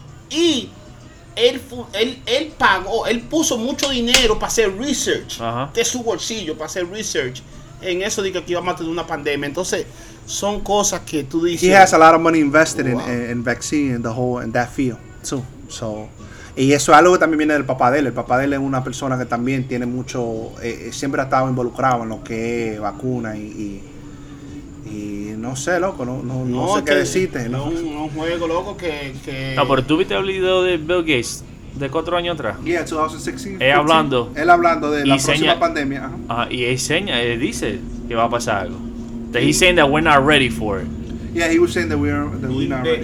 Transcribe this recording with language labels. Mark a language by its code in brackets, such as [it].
[es] Él pagó, él puso mucho dinero para hacer research. Ajá. De su bolsillo, para hacer research en eso de que aquí vamos a tener una pandemia. Entonces, son cosas que tú dices. [en] He has a lot of money invested in vaccine and the whole in that field too. So. [es] Y eso es algo que también viene del papá de él. El papá de él es una persona que también tiene mucho... siempre ha estado involucrado en lo que es vacuna y no sé, loco. No sé qué decirte. No, un juego, loco, que... No, pero tú viste el video de Bill Gates de 4 años atrás. [en] Yeah, 2016. [es] Él hablando de la próxima pandemia. Y él dice que va a pasar algo. [en] That he's saying that we're not ready for it. Yeah, he was saying that we're not ready for it.